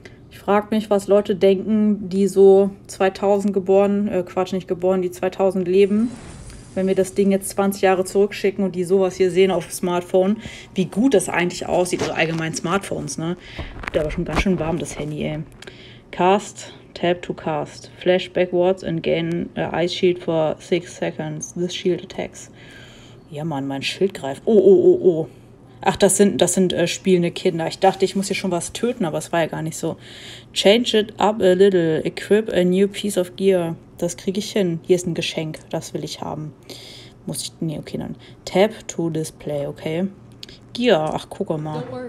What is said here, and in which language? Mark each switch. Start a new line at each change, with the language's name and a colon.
German: Ich frag mich, was Leute denken, die so 2000 geboren, Quatsch, nicht geboren, die 2000 leben. Wenn wir das Ding jetzt 20 Jahre zurückschicken und die sowas hier sehen auf dem Smartphone, wie gut das eigentlich aussieht, also allgemein Smartphones, ne? Wird aber schon ganz schön warm, das Handy, ey.
English: Cast, tap to cast. Flash backwards and gain ice shield for 6 seconds. This shield attacks.
German: Ja, Mann, mein Schild greift. Oh. Ach, das sind spielende Kinder. Ich dachte, ich muss hier schon was töten, aber es war ja gar nicht so.
English: Change it up a little. Equip a new piece of gear.
German: Das kriege ich hin. Hier ist ein Geschenk. Das will ich haben. Muss ich... Nee, okay, dann.
English: Tap to display, okay. Gear. Ach, guck mal.